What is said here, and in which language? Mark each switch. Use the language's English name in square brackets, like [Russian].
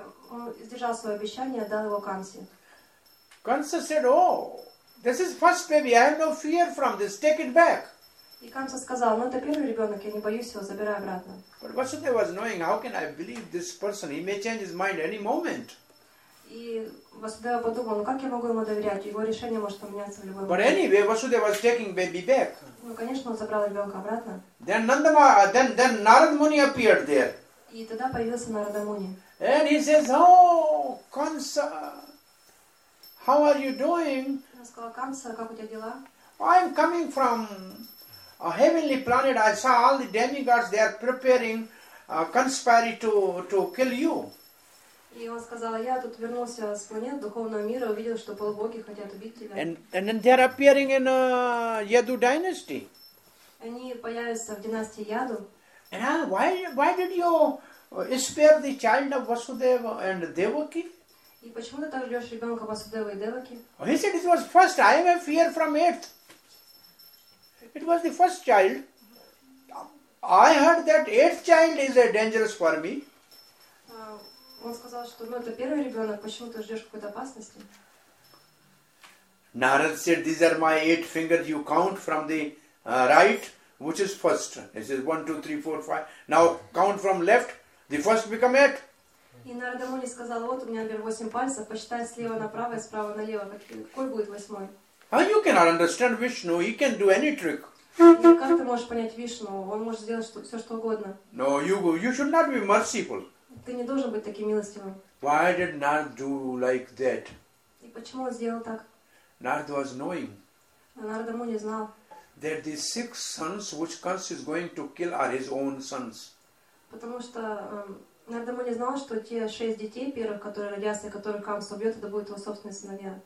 [Russian] Он сдержал свое обещание, отдал его Камсе. [English] Kansa said, "Oh, this is first baby. I have no fear from this. Take it back." [Russian] И Камса сказал, "Ну это первый ребенок, я не боюсь его, забирай обратно." [English] But Vasudeva was knowing, how can I believe this person? He may change his mind any moment. [Russian] И Васудева подумал, ну как я могу ему доверять? Его решение может поменяться в любой момент. [English] But anyway, Vasudeva was taking baby back. [Russian] Ну конечно, он забрал ребенка обратно. [English] Then Nandama, then Narad Muni appeared there. [Russian] И тогда появился Нарада Муни. [English] And he says, "Oh, Kansa, how are you doing?" [Russian] Он сказал, Камса, как у тебя дела? [English] I'm coming from a heavenly planet. I saw all the demigods. They are preparing, conspiring to kill you. [Russian] И он сказал, я тут вернулся с планет духовного мира, увидел, что полубоги хотят убить тебя. [English] And then they are appearing in Yadu dynasty. [Russian] Они появятся в династии Яду. [English] And why did you spare the child of Vasudeva and Devaki? [Russian] И почему ты так ждешь ребенка Васудевы и Деваки? [English] He said it was first. I have a fear from it. It was the first child. I heard that eighth child is dangerous for me. [Russian] Он сказал, что ну, это первый ребенок, почему ты ждешь какой-то опасности? [English] Narada said, these are my eight fingers, you count from the right, which is first. He says, 1, 2, 3, 4, 5. Now count from left, the first become eight. [Russian] И Нарада Муни сказал, вот у меня, например, 8 пальцев, посчитай слева направо и справа налево, какой будет восьмой? [English] And you cannot understand Vishnu, he can do any trick. [Russian] И как ты можешь понять Вишну? Он может сделать что, все, что угодно. [English] No, you should not be merciful. [Russian] Ты не должен быть таким милостивым. [English] Why did Narada do like that? [Russian] И почему он сделал так? [English] Narada was knowing. [Russian] Нарада Муни знал. [English] That the six sons which Kansa is going to kill are his own sons. [Russian] Потому что Нарада Муни знал, что те шесть детей первых, которые родятся, и которых Канса убьет, это будут его собственные сыновья.